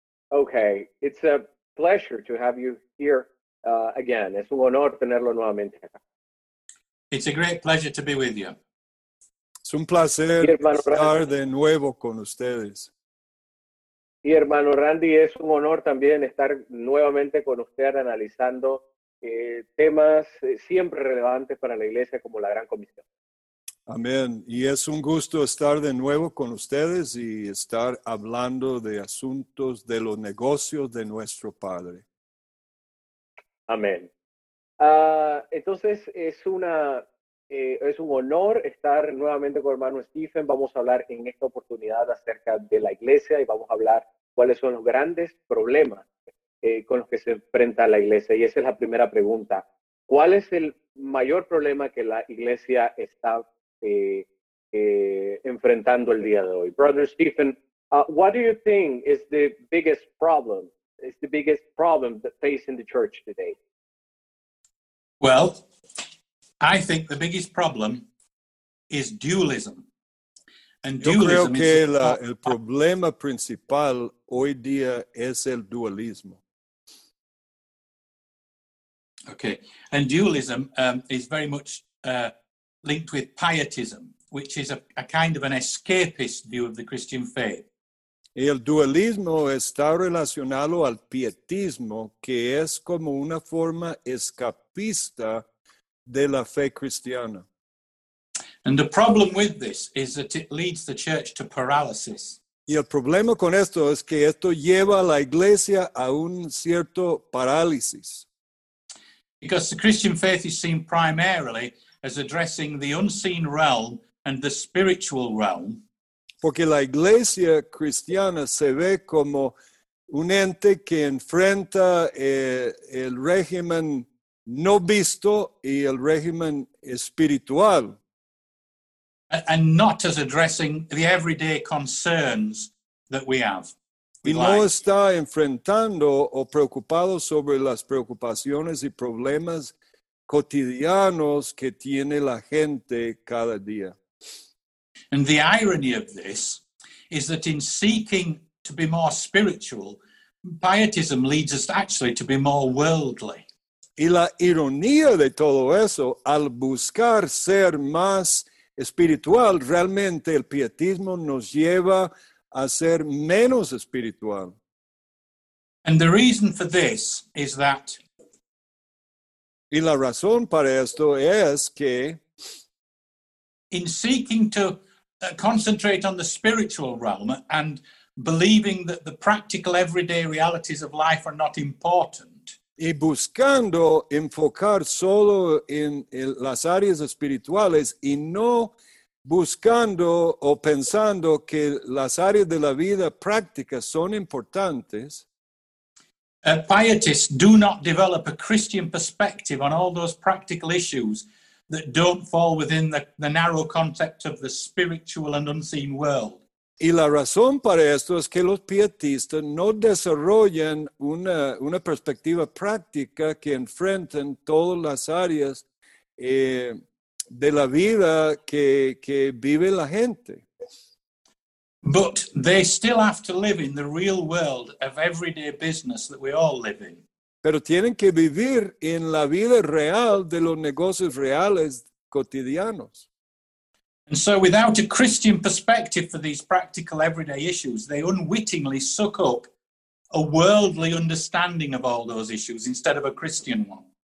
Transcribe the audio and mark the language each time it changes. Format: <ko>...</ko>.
<en>Okay, it's a pleasure to have you here again.</en> <es>Es un honor tenerlo nuevamente.</es> <en>It's a great pleasure to be with you.</en> <es>Es un placer estar de nuevo con ustedes. Y hermano Randy, es un honor también estar nuevamente con usted analizando temas siempre relevantes para la Iglesia como la Gran Comisión. Amén. Y es un gusto estar de nuevo con ustedes y estar hablando de asuntos de los negocios de nuestro Padre. Amén. Entonces, es un honor estar nuevamente con hermano Stephen. Vamos a hablar en esta oportunidad acerca de la Iglesia y vamos a hablar cuáles son los grandes problemas con los que se enfrenta la Iglesia. Y esa es la primera pregunta. ¿Cuál es el mayor problema que la Iglesia está enfrentando el día de hoy?</es> <en>Brother Stephen, what do you think is the biggest problem? Is the biggest problem that facing the church today? Well, I think the biggest problem is dualism. And dualism.</en> <es>Yo creo que el problema principal hoy día es el dualismo.</es> <en>Okay, and dualism is very much linked with pietism, which is a kind of an escapist view of the Christian faith.</en> <es>El dualismo está relacionado al pietismo, que es como una forma escapista de la fe cristiana.</es> <en>And the problem with this is that it leads the church to paralysis.</en> <es>Y el problema con esto es que esto lleva a la iglesia a un cierto parálisis.</es> <en>Because the Christian faith is seen primarily as addressing the unseen realm and the spiritual realm.</en> <es>Porque la iglesia cristiana se ve como un ente que enfrenta el régimen no visto y el régimen espiritual.</es> <en>And not as addressing the everyday concerns that we have.</en> <es>Y no está enfrentando o preocupado sobre las preocupaciones y problemas cotidianos que tiene la gente cada día.</es> <en>And the irony of this is that in seeking to be more spiritual, pietism leads us actually to be more worldly.</en> <es>Y la ironía de todo eso, al buscar ser más espiritual, realmente el pietismo nos lleva a ser menos espiritual.</es> <en>And the reason for this is that...</en> <es>Y la razón para esto es que...</es> <en>In seeking to concentrate on the spiritual realm and believing that the practical everyday realities of life are not important,</en> <es>y buscando enfocar solo en las áreas espirituales y no buscando o pensando que las áreas de la vida práctica son importantes.</es> <en>Pietists do not develop a Christian perspective on all those practical issues that don't fall within the narrow concept of the spiritual and unseen world.</en> <es>Y la razón para esto es que los pietistas no desarrollan una perspectiva práctica que enfrenten todas las áreas de la vida que vive la gente.</es> <en>But they still have to live in the real world of everyday business that we all live in.</en> <es>Pero tienen que vivir en la vida real de los negocios reales cotidianos.</es> <en>And so without a Christian perspective for these practical everyday issues, they unwittingly suck up a worldly understanding of all those issues instead of a Christian one.</en>